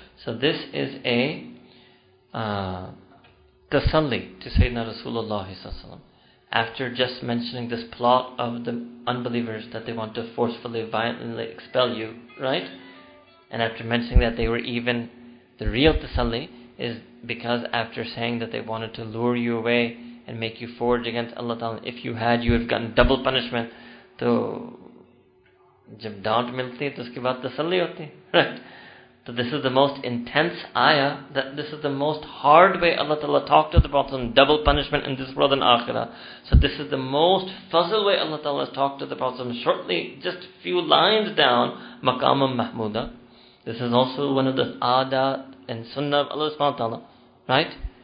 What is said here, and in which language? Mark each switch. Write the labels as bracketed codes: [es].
[en] So this is a tasalli to Sayyidina Rasulullah sallallahu, after just mentioning this plot of the unbelievers that they want to forcefully, violently expel you, right? And after mentioning that they were even, the real tasalli is because after saying that they wanted to lure you away and make you forge against Allah Ta'ala, if you had, you would have gotten double punishment. [ur] So, جب ڈانٹ ملتی, تو اسکے بعد تسلی ہوتی, [en] right? So this is the most intense ayah, that this is the most hard way Allah Ta'ala talked to the Prophet, double punishment in this world and akhirah. So this is the most fuzzle way Allah Ta'ala has talked to the Prophet, shortly, just few lines down, Maqam Mahmuda. This is also one of the adat and sunnah of Allah subhanahu wa ta'ala, right?